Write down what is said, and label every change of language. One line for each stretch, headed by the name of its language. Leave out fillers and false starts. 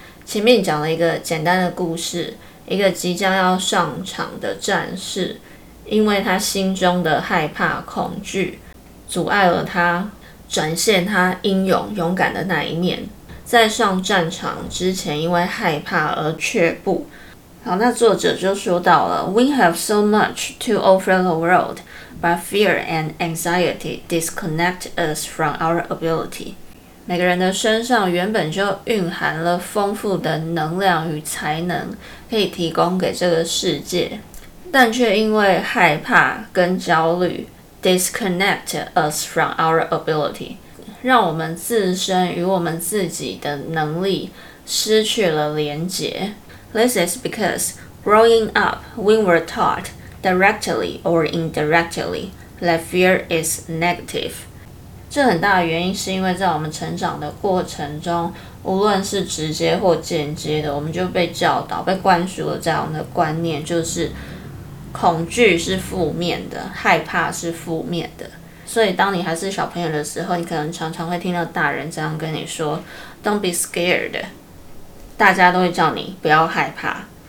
Chinese: 前面讲了一个简单的故事，一个即将要上场的战士，因为他心中的害怕恐惧，阻碍了他展现他英勇勇敢的那一面。在上战场之前因为害怕而却步。好，那作者就说到了，
English: We have so much to offer the world, but fear and anxiety disconnect us from our ability.
Chinese: 每个人的身上原本就蕴含了丰富的能量与才能可以提供给这个世界，但却因为害怕跟焦虑
English: disconnect us from our ability，
Chinese: 让我们自身与我们自己的能力失去了连结。
English: This is because growing up, we were taught directly or indirectly that fear is negative.
Chinese: 这很大的原因是因为在我们成长的过程中，无论是直接或间接的，我们就被教导、被灌输了这样的观念，就是恐惧是负面的，害怕是负面的。所以当你还是小朋友的时候，你可能常常会听到大人这样跟你说
English: Don't be scared，
Chinese: 大家都会叫你不要害怕。